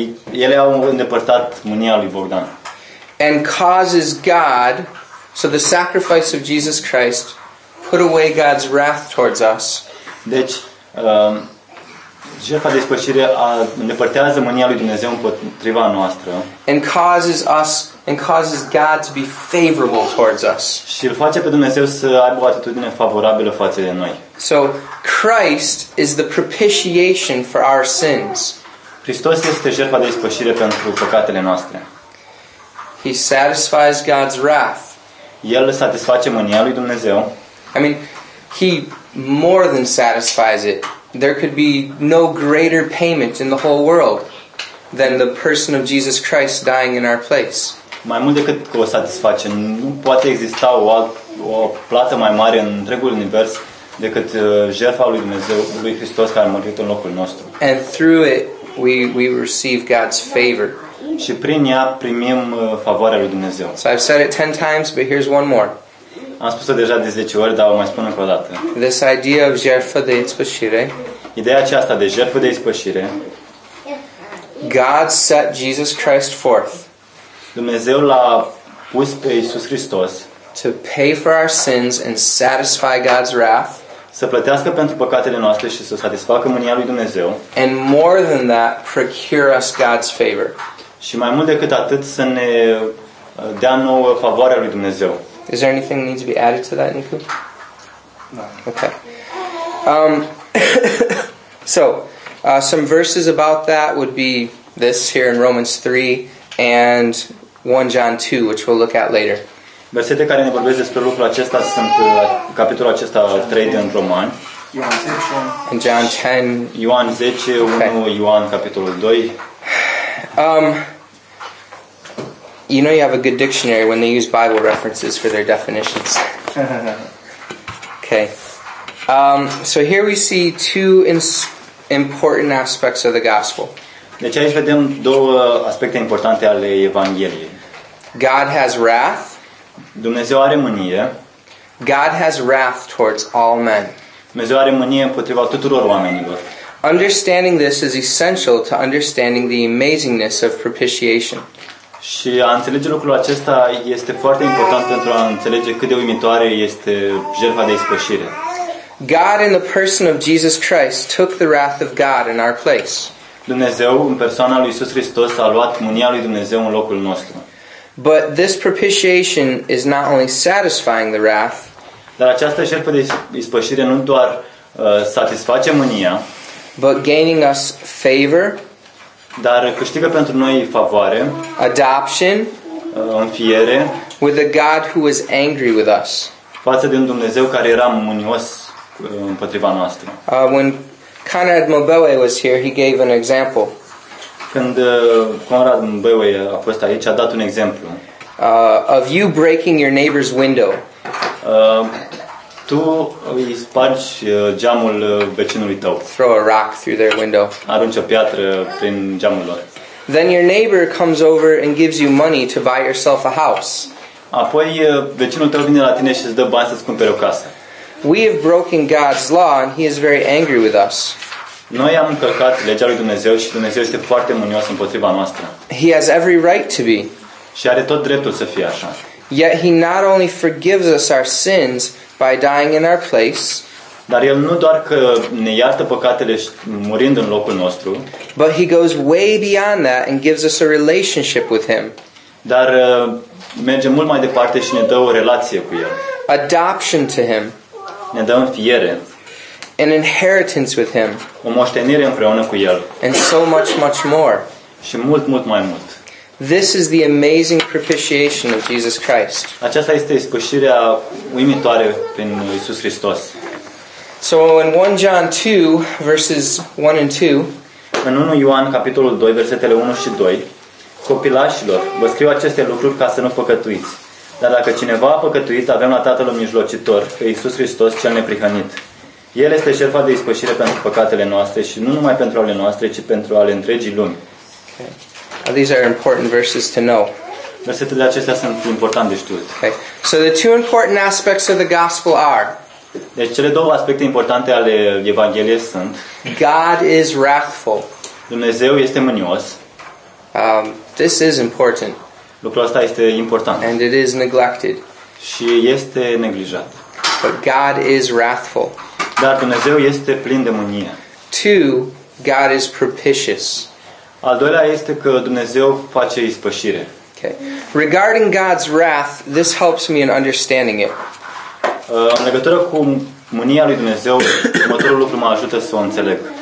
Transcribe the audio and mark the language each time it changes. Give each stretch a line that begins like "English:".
Romanian: Ele au îndepărtat mânia lui Bogdan.
English: And causes God, so the sacrifice of Jesus Christ put away God's wrath towards us.
Romanian: Deci, jertfa de ispășire îndepărtează mânia lui Dumnezeu împotriva noastră.
English: And causes us and causes God to be favorable towards us.
Romanian: Și îl face pe Dumnezeu să aibă o atitudine favorabilă față de noi.
English: So Christ is the propitiation for our sins.
Romanian: Hristos este jertfa de ispășire pentru păcatele noastre.
English: He satisfies God's wrath.
Romanian: El satisface mânia lui Dumnezeu.
English: I mean, he more than satisfies it. There could be no greater payment in the whole world than the person of Jesus Christ dying in our place.
Romanian: Mai mult decât că o satisface, nu poate exista o plată mai mare în întregul univers decât jertfa lui Dumnezeu, lui Hristos, care a murit în locul nostru.
English: And through it we receive God's favor.
Romanian: Și prin ea primim favoarea lui Dumnezeu.
English: So I've said it 10 times, but here's one more.
Romanian: Am spus-o deja de 10 ori, dar o mai spun încă o dată.
English: This idea of
Romanian: jertfă de ispășire. Ideea aceasta de jertfă de ispășire.
English: God set Jesus Christ forth.
Romanian: Dumnezeu l-a pus pe Iisus Hristos
English: to pay for our sins and satisfy God's wrath.
Romanian: Să plătească pentru păcatele noastre și să satisfacă mânia lui Dumnezeu.
English: And more than that, procure us God's favor.
Romanian: Și mai mult decât atât, să ne dea nouă favoarea lui Dumnezeu.
English: Is there anything that needs to be added to that, Nicu? No. Okay. some verses about that would be this here in Romans 3 and 1 John 2, which we'll look at later.
Romanian: Versete care ne vorbesc despre lucrul acesta sunt capitolul acesta 3 din Roman. Ioan 10.
English: And John 10.
Romanian: Ioan 10, 1 Ioan capitolul 2.
English: You know you have a good dictionary when they use Bible references for their definitions. Okay. So here we see two important aspects of the gospel.
Romanian: Deci aici vedem două aspecte importante ale Evangheliei.
English: God has wrath.
Romanian: Dumnezeu are mânie.
English: God has wrath towards all men.
Romanian: Dumnezeu are mânie împotriva tuturor oamenilor.
English: Understanding this is essential to understanding the amazingness of propitiation.
Romanian: Și a înțelege lucrul acesta este foarte important pentru a înțelege cât de uimitoare este jertfa de ispășire.
English: God in the person of Jesus Christ took the wrath of God in our place.
Romanian: Dumnezeu în persoana lui Iisus Hristos a luat mânia lui Dumnezeu în locul nostru.
English: But this propitiation is not only satisfying the wrath.
Romanian: Dar această jertfă de ispășire nu doar satisface mânia,
English: but gaining us favor.
Romanian: Dar câștigă pentru noi favoare,
English: adoption,
Romanian: înfiere,
English: with a God who was angry with us.
Romanian: Față de un Dumnezeu care era mânios împotriva noastră.
English: When Conrad Mobewe was here, he gave an example.
Romanian: Când Conrad Mbewe a fost aici, a dat un exemplu.
English: Of you breaking your neighbor's window.
Romanian: Tu îi spargi geamul vecinului tău.
English: Throw a rock through their window.
Romanian: Arunci o piatră prin geamul lor.
English: Then your neighbor comes over and gives you money to buy yourself a house.
Romanian: Apoi vecinul tău vine la tine și îți dă bani să-ți cumpere o casă.
English: We have broken God's law and he is very angry with us.
Romanian: Noi am încălcat legea lui Dumnezeu și Dumnezeu este foarte mânios împotriva noastră.
English: He has every right to be.
Romanian: Și are tot dreptul să fie așa.
English: Yet he not only forgives us our sins by dying in our place.
Romanian: Dar el nu doar că ne iartă păcatele murind în locul nostru.
English: But he goes way beyond that and gives us a relationship with him.
Romanian: Dar merge mult mai departe și ne dă o relație cu el.
English: Adoption to him.
Romanian: Ne dă în fiere.
English: An inheritance with him.
Romanian: O moștenire împreună cu el.
English: And so much, much more.
Romanian: Și mult, mult mai mult.
English: This is the amazing propitiation of Jesus Christ.
Romanian: Aceasta este ispășirea uimitoare prin Iisus Hristos.
English: So in 1 John 2, verses 1 and 2,
Romanian: în 1 Ioan, capitolul 2, versetele 1 și 2, copilașilor, vă scriu aceste lucruri ca să nu păcătuiți. Dar dacă cineva a păcătuit, avem la Tatăl un mijlocitor, pe Iisus Hristos, cel neprihănit. El este șerfa de ispășire pentru păcatele noastre și nu numai pentru ale noastre, ci pentru ale întregii lumi.
English: Okay. These are important verses to know.
Romanian: Versetele acestea sunt importante de știut.
English: Okay. So the two important aspects of the gospel are.
Romanian: Deci cele două aspecte importante ale Evangheliei sunt.
English: God is wrathful.
Romanian: Dumnezeu este mânios.
English: This is important.
Romanian: Lucrul ăsta este important.
English: And it is neglected.
Romanian: Și este neglijat.
English: But God is wrathful.
Romanian: Dar Dumnezeu este plin de mânie.
English: 2. God is propitious.
Romanian: Al doilea este că Dumnezeu face ispășire.
English: Okay. Regarding God's wrath, this helps me in understanding it.
Romanian: În legătură cu mânia lui Dumnezeu, următorul lucru mă ajută să o înțeleg.